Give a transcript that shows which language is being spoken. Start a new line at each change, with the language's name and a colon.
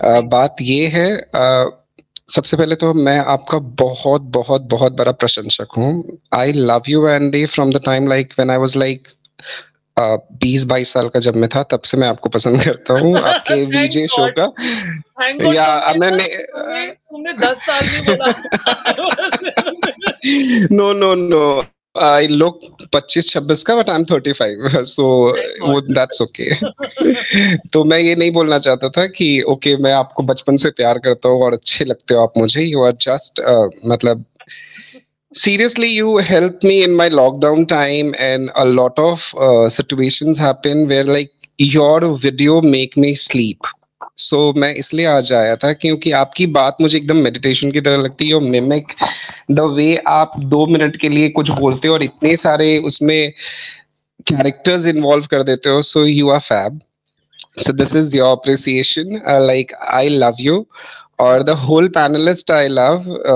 Hindi: बात ये है, सबसे पहले तो मैं आपका बहुत बहुत बहुत बड़ा प्रशंसक हूँ.
English: I love you Andy from the time like when I was like
Hindi: 20-22 साल का जब मैं था, तब से मैं आपको पसंद करता हूँ आपके वीजे शो का. या मैंने 10 साल
English: No no no I look 25-26 का, but I'm 35, so that's okay.
Hindi: तो मैं ये नहीं बोलना चाहता था कि okay, मैं आपको बचपन से प्यार करता हूँ और अच्छे लगते हो आप मुझे.
English: You are just मतलब seriously, you helped me in my lockdown time, and a lot of situations happen where like your video make me sleep.
Hindi: So मैं इसलिए आज आया था क्योंकि आपकी बात मुझे एकदम मेडिटेशन की तरह लगती है.
English: mimic the way
Hindi: आप 2 मिनट के लिए कुछ बोलते हो और इतने सारे उसमें कैरेक्टर्स इन्वॉल्व कर देते हो.
English: So you are fab. So this is your appreciation. Like I love you और the whole panelist I love.